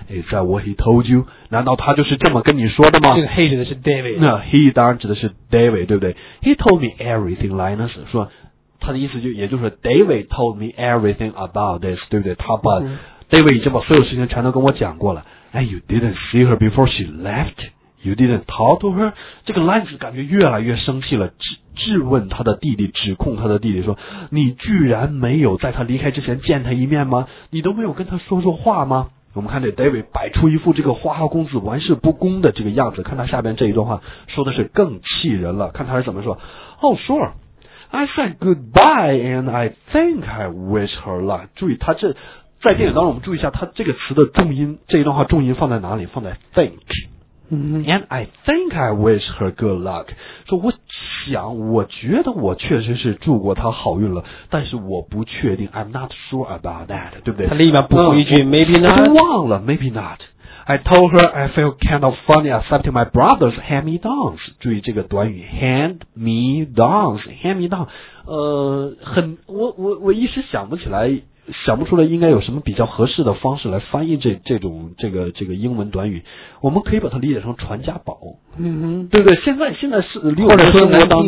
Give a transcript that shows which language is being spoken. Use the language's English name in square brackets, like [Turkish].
[Chinese] 哎，在 [English] what he told you， [Chinese] 难道他就是这么跟你说的吗？这个 he 指的是 David，那 he 当然指的是 David， 对不对 ？ [English] He told me everything， [Chinese] Linus 说，他的意思就也就是 [English] David told me everything about this， [Chinese] 对不对？他把 David 已经把所有事情全都跟我讲过了。 [English] 哎 ，you didn't see her before she left。 You didn't talk to her。 [Chinese] 这个 Linus 感觉越来越生气了， 质问他的弟弟，指控他的弟弟说，你居然没有在他离开之前见他一面吗？你都没有跟他说说话吗？我们看这 David 摆出一副这个花花公子玩世不恭的这个样子，看他下边这一段话说的是更气人了，看他是怎么说。 [English] Oh sure I said goodbye and I think I wish her luck。 [Chinese] 注意他这在电影当中，我们注意一下他这个词的重音，这一段话重音放在哪里，放在 think。 [English] And I think I wish her good luck。 [Chinese] 说我想，我觉得我确实是祝过她好运了，但是我不确定， [English] I'm not sure about that， [Chinese] 对不对？他立马补充一句 [English] maybe not， [Chinese] 我都忘了 [English] maybe not。 I told her I feel kind of funny accepting my brother's hand me downs。 [Chinese] 注意这个短语 hand me downs， hand me down， 很我一时想不出来应该有什么比较合适的方式来翻译这种英文短语。我们可以把它理解成传家宝，对不对？现在是离我们生活当